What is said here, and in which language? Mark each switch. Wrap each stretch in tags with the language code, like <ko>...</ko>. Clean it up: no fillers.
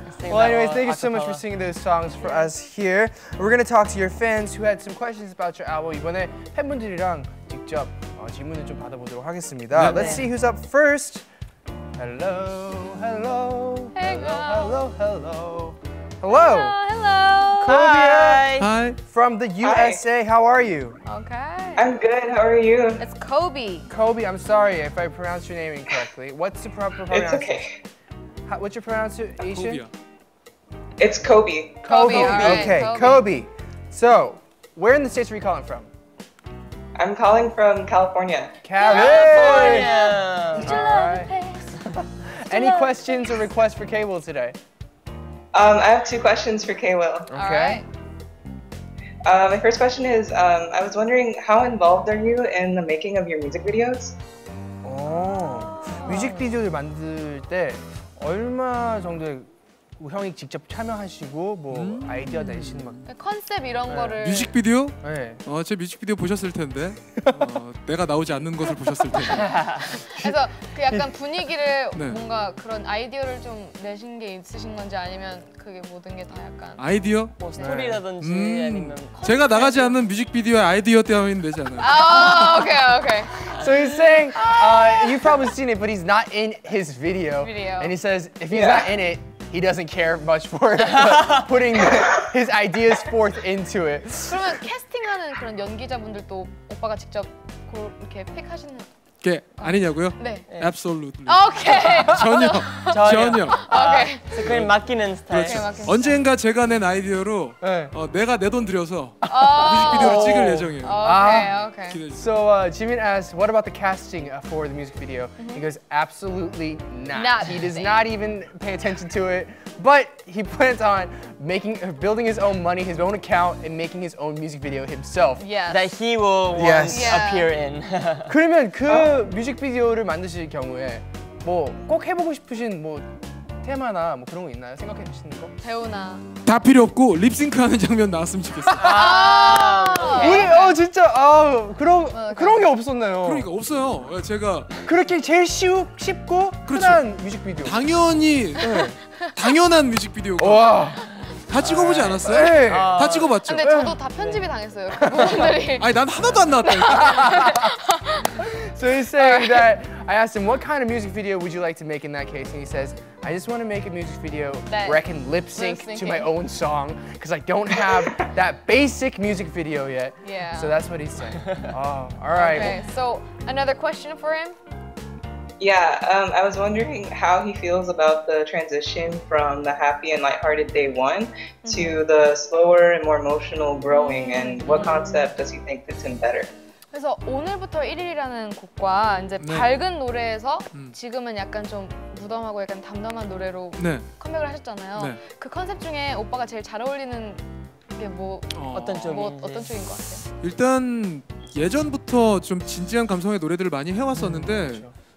<en>Well, anyways, thank you so much for singing those songs for us here. We're going to talk to your fans who had some questions about your album.</en> <ko>이번에 팬분들이랑 직접 질문을 좀 받아보도록 하겠습니다. 네.</ko> <en>Let's see who's up first. Hello, hello, hey, hello, hello, hello, hello, hello, hello. Kobe! Hi! From the USA, Hi. How are you? Okay. I'm good, how are you? It's Kobe. Kobe, I'm sorry if I pronounced your name incorrectly. What's the proper pronunciation? It's okay. How, what's your pronunciation? It's Kobe. Kobe, Kobe. Right. Okay, Kobe. Kobe. So, where in the States are you calling from? I'm calling from California. California! Any questions or requests for K.Will today? I have two questions for K.Will. Okay. My first question is, I was wondering how involved are you in the making of your music videos?</en> <ko>Oh, 뮤직 비디오를 만들 때 얼마 정도 형이 직접 참여하시고 뭐 아이디어 내신 막 컨셉 이런 네. 거를 뮤직 비디오? 네. 어, 제 뮤직 비디오 보셨을 텐데 내가 나오지 않는 것을 보셨을 텐데. 그래서 그 약간 분위기를 네. 뭔가 그런 아이디어를 좀 내신 게 있으신 건지 아니면 그게 모든 게 다 약간 아이디어? 뭐 스토리라든지 네. 아니면 컨셉? 제가 나가지 않는 뮤직 비디오의 아이디어 때문에 되지 않아요?</ko> <en>아, 오케이 오케이. So he's saying, you've probably seen it, but he's not in his video. And he says, if he's not in it. He doesn't care much for it, putting his ideas forth into it.</en> <ko>그러면 캐스팅하는 그런 연기자분들도 오빠가 직접 이렇게 픽하시는 게 아니냐고요? 네.</ko> <en>Absolutely. 오케이.</en> <ko>전혀. 전혀.</ko> <en>오케이.</en> <ko>그냥 맡기는 스타일. 그렇죠. 언젠가 제가 낸 아이디어로 네. 어, 내가 내 돈 들여서 뮤직비디오를 찍을 예정이에요.</ko> <en>오케이. 오케이. So, Jimin asked, what about the casting for the music video? Mm-hmm. He goes, absolutely not. Not he does not even pay attention to it. But he plans on making, building his own money, his own account, and making his own music video himself. Yes. That he will want appear in.</en> <ko>그러면 그 뮤직비디오를 만드실 경우에 뭐 꼭 해보고 싶으신 뭐 테마나 뭐 그런 거 있나요? 생각해 주시는 거? 배우나. 다 필요 없고 립싱크 하는 장면 나왔으면 좋겠어요. 아, 우리 어 진짜 아 그런 게 없었나요? 그러니까 없어요. 제가 그렇게 제일 쉽고 그렇죠. 흔한 뮤직비디오. 당연히 네. 당연한 뮤직비디오가. 와. 다 찍어보지 않았어요? 네. 다 찍어봤죠. 근데 저도 다 편집이 당했어요. 그분들이. 아니 난 하나도 안 나왔다니까.</ko> <en>So he's saying that I asked him, what kind of music video would you like to make in that case? And he says, I just want to make a music video where I can lip sync to my own song because I don't have that basic music video yet. Yeah. So that's what he's saying. Oh, all right. Okay, well, so another question for him? Yeah, I was wondering how he feels about the transition from the happy and lighthearted day one to the slower and more emotional growing and what concept does he think fits in better?</en> <ko>그래서 오늘부터 1일이라는 곡과 이제 네. 밝은 노래에서 지금은 약간 좀 무덤하고 약간 담담한 노래로 네. 컴백을 하셨잖아요. 네. 그 컨셉 중에 오빠가 제일 잘 어울리는 게 뭐 어떤 쪽이 뭐 어떤 쪽인 것 같아요? 일단 예전부터 좀 진지한 감성의 노래들을 많이 해왔었는데 그렇죠.</ko>